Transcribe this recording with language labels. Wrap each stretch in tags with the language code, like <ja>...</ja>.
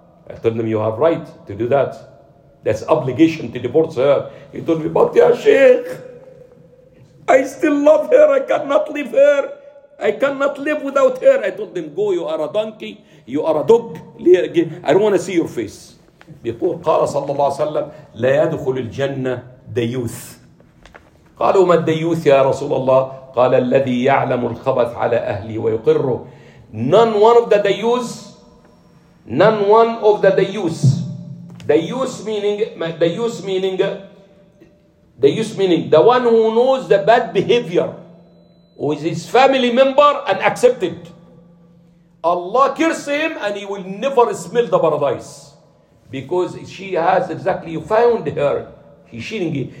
<en>I told him, you have right to do that. That's obligation to divorce her. He told me, but ya Sheikh, I still love her. I cannot leave her. I cannot live without her. I told them, go, you are a donkey. You are a dog. I don't want to see your face.</en> <ar>بيقول قال صلى الله عليه وسلم لا يدخل الجنة ديوث. قالوا ما الديوث يا رسول الله؟ قال الذي يعلم الخبث على أهله ويقره.</ar> <en>None one of the ديوث, none one of the ديوث. ديوث meaning the one who knows the bad behavior with his family member and accepted. Allah curse him and he will never smell the paradise because she has exactly, you found her, he's cheating.</en>